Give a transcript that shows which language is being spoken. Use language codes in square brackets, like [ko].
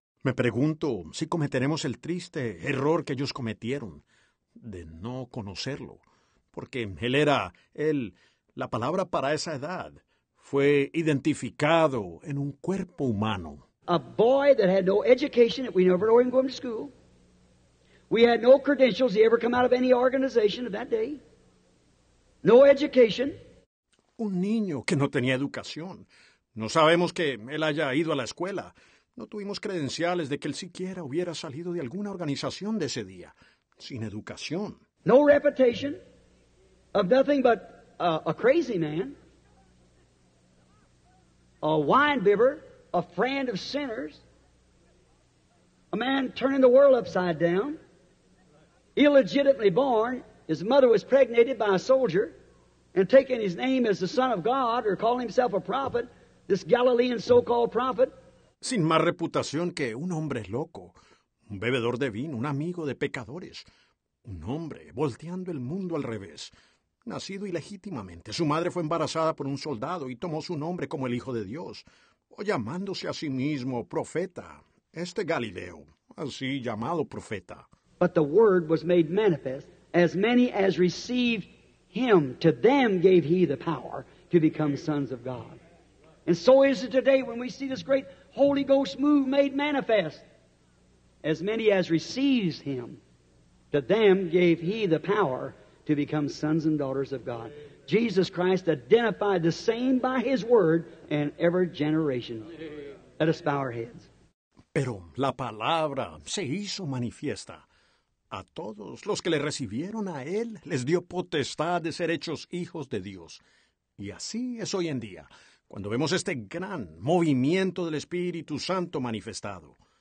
[es] Me pregunto si cometeremos el triste error que ellos cometieron de no conocerlo. Porque él era, él, la palabra para esa edad, fue identificado en un cuerpo humano. [en] A boy that had no education, we never know him going to school. We had no credentials, he ever come out of any organization of that day. No education. [es] Un niño que no tenía educación. No sabemos que él haya ido a la escuela. No tuvimos credenciales de que él siquiera hubiera salido de alguna organización de ese día, sin educación. [en] No reputation. Of nothing but a crazy man, a wine bibber, a friend of sinners, a man turning the world upside down, illegitimately born, his mother was pregnant by a soldier, and taking his name as the Son of God, or calling himself a prophet, this Galilean so-called prophet. [es] Sin más reputación que un hombre loco, un bebedor de vino, un amigo de pecadores, un hombre volteando el mundo al revés. Nacido ilegítimamente, su madre fue embarazada por un soldado y tomó su nombre como el Hijo de Dios, o llamándose a sí mismo profeta, este Galileo, así llamado profeta. [en] But the word was made manifest, as many as received him, to them gave he the power to become sons of God. And so is it today when we see this great Holy Ghost move made manifest. As many as receives him, to them gave he the power to become sons and daughters of God. Jesus Christ identified the same by his word in every generation. Let us bow our heads. [es] Pero la palabra se hizo manifiesta. A todos los que le recibieron a él, les dio potestad de ser hechos hijos de Dios. Y así es hoy en día, cuando vemos este gran movimiento del Espíritu Santo manifestado.